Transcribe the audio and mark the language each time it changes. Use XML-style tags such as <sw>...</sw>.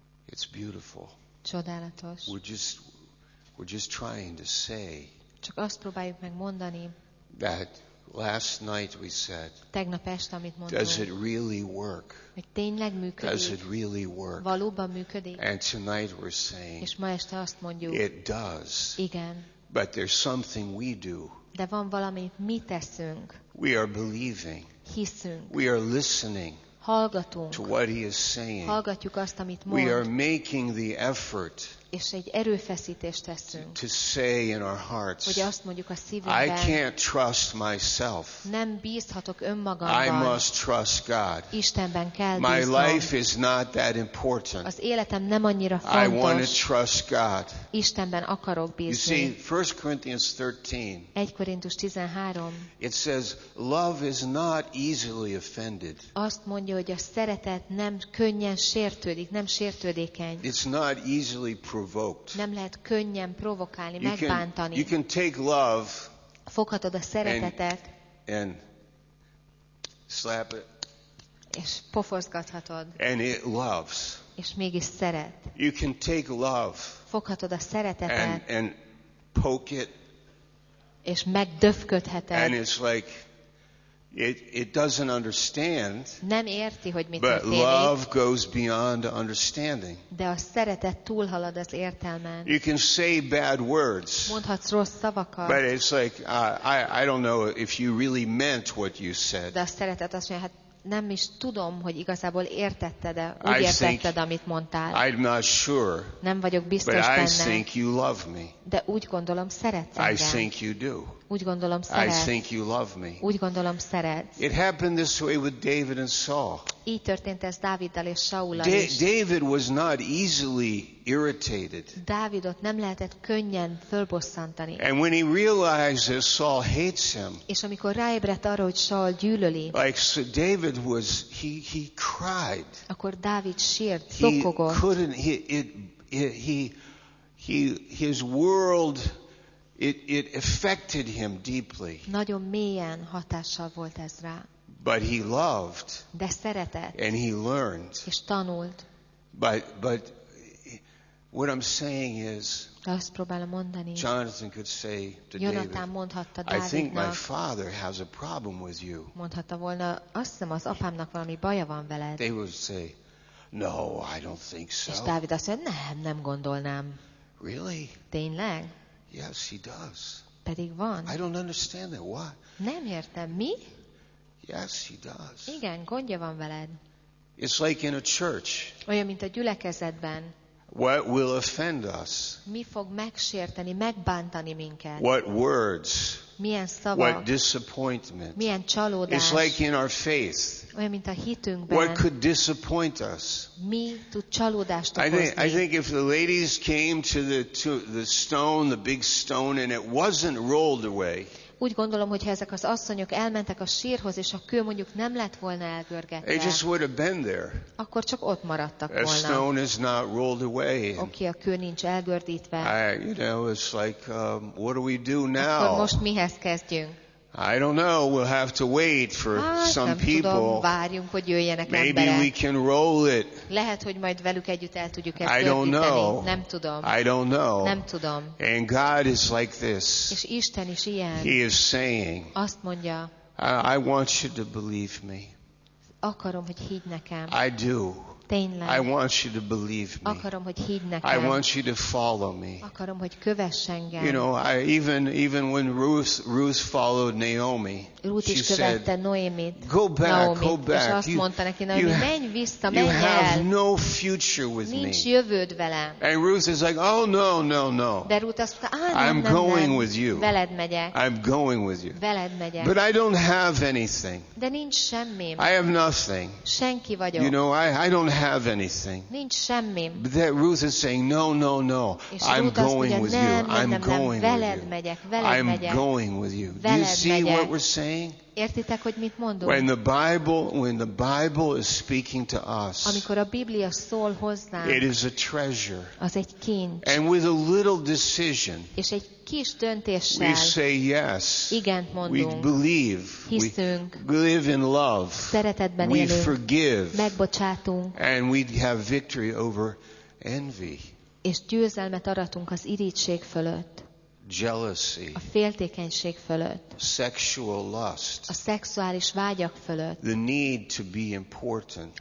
<en>It's beautiful.</en> <hu>Csodálatos.</hu> <en>We're just trying to say.</en> <hu>Csak azt próbáljuk megmondani.</hu> <en>That last night we said.</en> <hu>Tegnap este, amit mondtam.</hu> <en>Does it really work?</en> <hu>Hogy tényleg működik?</hu> <en>Does it really work?</en> <hu>Valóban működik?</hu> <en>And tonight we're saying.</en> <hu>És ma este azt mondjuk.</hu> <en>It does.</en> <hu>Igen.</hu> <en>But there's something we do.</en> <hu>De van valami, mi teszünk.</hu> <en>We are believing.</en> <hu>Hiszünk.</hu> <en>We are listening.</en> <hu>hallgatunk,</hu> <en>to what he is saying.</en> <hu>Hallgatjuk azt, amit mond.</hu> <en>We are making the effort.</en> <hu>És egy erőfeszítést teszünk.</hu> <en>To say in our hearts.</en> <hu>Hogy azt mondjuk a szívünkben.</hu> <en>I can't trust myself.</en> <hu>Nem bízhatok önmagamban.</hu> <en>I must trust God.</en> <hu>Istenben kell bíznom.</hu> <en>My life is not that important.</en> <hu>Az életem nem annyira fontos.</hu> <en>I want to trust God.</en> <hu>Istenben akarok bízni.</hu> <en>You see, 1 Corinthians 13.</en> <hu>1 Korintus 13.</hu> <en>It says, love is not easily offended.</en> <hu>Azt mondja, hogy a szeretet nem könnyen sértődik, nem sértődékeny.</hu> <en>It's not easily provoked.</en> <hu>Nem lehet könnyen provokálni, megbántani.</hu> <en>You can take love.</en> <hu>Foghatod a szeretetet.</hu> <en>And slap it.</en> <hu>És pofozgathatod.</hu> <en>And it loves.</en> <hu>És mégis szeret.</hu> <en>You can take love.</en> <hu>Foghatod a szeretetet.</hu> <en>And poke it.</en> <hu>És megdöfködheted.</hu> <en>And it's like it doesn't understand.</en> <hu>Nem érti, hogy mit történik.</hu> <en>But love goes beyond understanding.</en> <hu>De a szeretet túlhalad az értelmen.</hu> <en>You can say bad words.</en> <hu>Mondhatsz rossz szavakat.</hu> <en>But it's like I don't know if you really meant what you said.</en> <hu>De a szeretet azt mondja, hát nem is tudom, hogy igazából értetted-e, úgy értetted, amit mondtál.</hu> <en>I'm not sure.</en> <hu>Nem vagyok biztos benne.</hu> <en>But I think you love me.</en> <hu>De úgy gondolom, szeretsz engem.</hu> <en>I think you do.</en> <hu>Úgy gondolom, szeretsz.</hu> <en>I think you love me.</en> <hu>Úgy gondolom, szeretsz.</hu> <en>It happened this way with David and Saul.</en> <hu>Így történt ez Dáviddal és Saul-al is.</hu> <en>David was not easily irritated.</en> <hu>Dávidot nem lehetett könnyen fölbosszantani.</hu> <en>And when he realized that Saul hates him.</en> <hu>És amikor ráébredt arra, hogy Saul gyűlöli.</hu> <en>Like so David was he cried.</en> <hu>Akkor Dávid sírt, zokogott.</hu> <en>His world it affected him deeply.</en> <hu>Nagyon mélyen hatással volt ez rá.</hu> <en>But he loved.</en> <hu>De szeretett.</hu> <en>And he learned.</en> <hu>És tanult.</hu> <en>But what I'm saying is,</en> <hu>azt próbálom mondani,</hu> <en>Jonathan could say to</en> <hu>Jonathan</hu> <en>David,</en> <hu>mondhatta Dávidnak,</hu> <en>I think my father has a problem with you.</en> <hu>Mondhatta volna, azt hiszem, az apámnak valami baja van veled.</hu> <en>They would say, no, I don't think so.</en> <hu>És Dávid azt mondja, nem gondolnám.</hu> <en>Really?</en> <hu>Tényleg?</hu> <en>Yes, he does.</en> <hu>Pedig van.</hu> <en>I don't understand that. Why?</en> <hu>Nem értem. Mi?</hu> <en>Yes, he does.</en> <hu>Igen, gondja van veled.</hu> <en>It's like in a church.</en> <hu>Olyan, mint a gyülekezetben.</hu> <en>What will offend us?</en> <hu>Mi fog megsérteni, megbántani minket?</hu> <en>What words?</en> <hu>Milyen szavak?</hu> <en>What disappointment?</en> <hu>Milyen csalódás?</hu> <en>It's like in our faith.</en> <hu>Olyan, mint a hitünkben.</hu> <en>What could disappoint us?</en> <hu>Mi tud csalódást okozni?</hu> <en>I think if the ladies came to the stone, the big stone, and it wasn't rolled away.</en> <hu>Úgy gondolom, hogy ezek az asszonyok elmentek a sírhoz, és a kő mondjuk nem lett volna elgörgetve.</hu> <en>They just would have been there.</en> <hu>Akkor csak ott maradtak volna.</hu> <en>A stone is not rolled away.</en> <hu>Oké, a kő nincs elgördítve.</hu> <en>It's like, what do we do now?</en> <hu>Akkor most mihez kezdjünk?</hu> <en>I don't know. We'll have to wait for some people.</en> <hu>Nem tudom, várjunk, hogy jöjjenek emberek.</hu> <en>Maybe we can roll it.</en> <hu>Lehet, hogy majd velük együtt el tudjuk ezt gördíteni.</hu> <en>I don't know.</en> <hu>Nem tudom.</hu> <en>I don't know.</en> <hu>Nem tudom.</hu> <en>And God is like this.</en> <hu>És Isten is ilyen.</hu> <en>He is saying.</en> <hu>Azt mondja.</hu> <en>I want you to believe me.</en> <hu>Akarom, hogy higgy nekem.</hu> <en>I do.</en> <hu>Tényleg.</hu> <en>I want you to believe me.</en> <hu>Akarom, hogy higgy nekem.</hu> <en>I want you to follow me.</en> <hu>Akarom, hogy kövess engem.</hu> <en>You know, even when Ruth followed Naomi, Ruth she is said,</en> <hu>Noémit,</hu> <en>go back, Naomit, go back.</en> <hu>És azt mondta neki, Naomi, menj vissza, menj el.</hu> <en>You have no future with</en> <hu>nincs</hu> <en>me.</en> <hu>Nincs jövőd velem.</hu> <en>And Ruth is like, oh, no.</en> <hu>De Ruth azt mondta, nem,</hu> <en>I'm going</en> <hu>nem.</hu> <en>With you.</en> <hu>Veled megyek.</hu> <en>I'm going with you.</en> <hu>Veled megyek.</hu> <en>But I don't have anything.</en> <hu>De nincs semmim.</hu> <en>I have nothing.</en> <hu>Senki vagyok.</hu> <en>You know, I don't have anything.</en> <hu>Nincs semmim.</hu> <en>But that Ruth is saying, no. I'm going with you. I'm going with you. I'm going with you. Do you see what we're saying?</en> <hu>Értitek, hogy mit mondunk?</hu> <en>When the Bible is speaking to us,</en> <hu>amikor a Biblia szól hozzánk,</hu> <en>it is a treasure.</en> <hu>Az egy kincs.</hu> <en>And with a little decision,</en> <hu>és egy kis döntéssel,</hu> <en>we say yes.</en> <hu>Igent mondunk.</hu> <en>We believe.</en> <hu>Hiszünk.</hu> <en>We live in love.</en> <hu>Szeretetben</hu> <en>we</en> <hu>élünk.</hu> <en>We forgive.</en> <hu>Megbocsátunk.</hu> <en>And we have victory over envy.</en> <hu>És győzelmet aratunk az irítség fölött.</hu> <en>Jealousy.</en> <hu>A féltékenység fölött.</hu> <en>Sexual lust.</en> <hu>A szexuális vágyak fölött.</hu> <en>The need to be important.</en>